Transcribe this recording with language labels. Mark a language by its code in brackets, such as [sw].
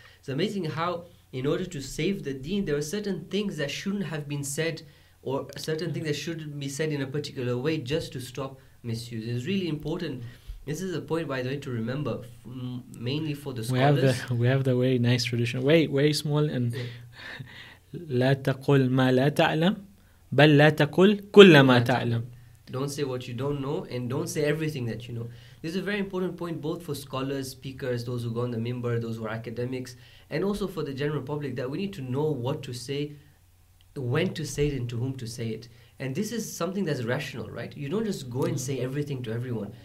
[en] It's amazing how in order to save the deen, there are certain things that shouldn't have been said or certain things that should be said in a particular way just to stop misuse. It's really important. This is a point, by the way, to remember, mainly for the scholars. We have the very nice tradition. Very, very small. And [ar] لا تقول ما لا تعلم بل لا تقول كل ما تعلم. [en] Don't say what you don't know and don't say everything that you know. This is a very important point both for scholars, speakers, those who go on the minbar, those who are academics, and also for the general public, that we need to know what to say, when to say it, and to whom to say it. And this is something that's rational, right? You don't just go and say everything to everyone.